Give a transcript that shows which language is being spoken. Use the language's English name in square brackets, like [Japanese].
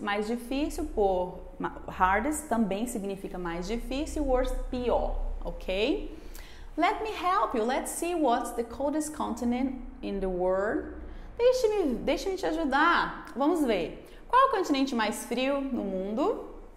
[Portuguese] Mais difícil por hardest também significa mais difícil. [English] Worst, pior, ok? Let me help you. Let's see what's the coldest continent in the world. [Portuguese] Deixe-me te ajudar. Vamos ver. Qual é o continente mais frio no mundo?